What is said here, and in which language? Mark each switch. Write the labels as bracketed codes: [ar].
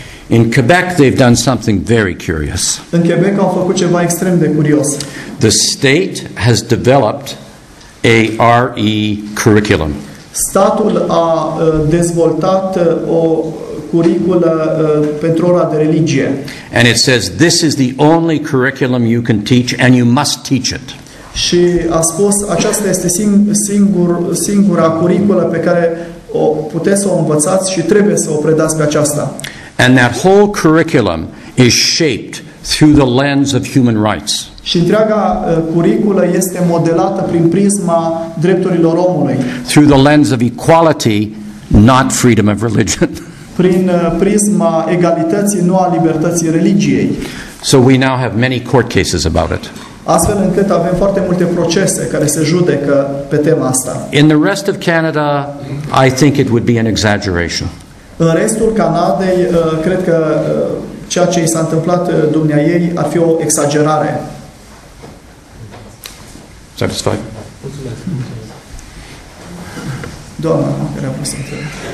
[en] In Quebec, they've done something very curious. [ro] În Quebec au făcut ceva extrem de curios. [en] The state has developed a RE curriculum. [ro] Statul a dezvoltat o curriculă pentru ora de religie. [en] And it says this is the only curriculum you can teach and you must teach it. [ro] Și a spus aceasta este singura curriculă pe care o puteți să o învățați și trebuie să o predați pe aceasta. [en] And that whole curriculum is shaped through the lens of human rights. [ro] Și întreaga curriculă este modelată prin prisma drepturilor omului. [en] Through the lens of equality, not freedom of religion. [ro] Prin prisma egalității, nu a libertății religiei. [en] So we now have many court cases about it. [ro] Astfel încât avem foarte multe procese care se judecă pe tema asta. [en] In the rest of Canada, I think it would be an exaggeration. [ro] În restul Canadei, cred că ceea ce i s-a întâmplat dumneaei ar fi o exagerare. [en] Satisfied? [ro] Doamna, care a pus întrebări.